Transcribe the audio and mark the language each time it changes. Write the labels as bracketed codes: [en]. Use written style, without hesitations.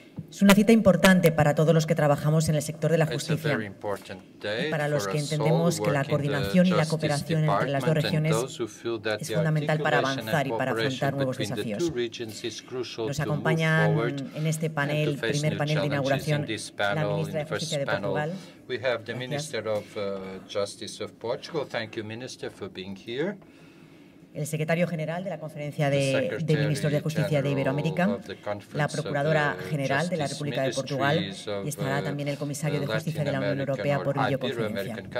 [es] Es una cita importante para todos los que trabajamos en el sector de la justicia y para los que entendemos que la coordinación y la cooperación entre las dos regiones es fundamental para avanzar y para afrontar nuevos desafíos. Nos acompañan en este panel, primer panel de inauguración, la ministra de Justicia de Portugal. [en] We have the Minister of Justice of Portugal. Thank you, Minister, for being here. [es] El secretario general de la Conferencia de Ministros de Justicia de Iberoamérica, la procuradora general de la República de Portugal y estará también el comisario de Justicia de la Unión Europea por videoconferencia.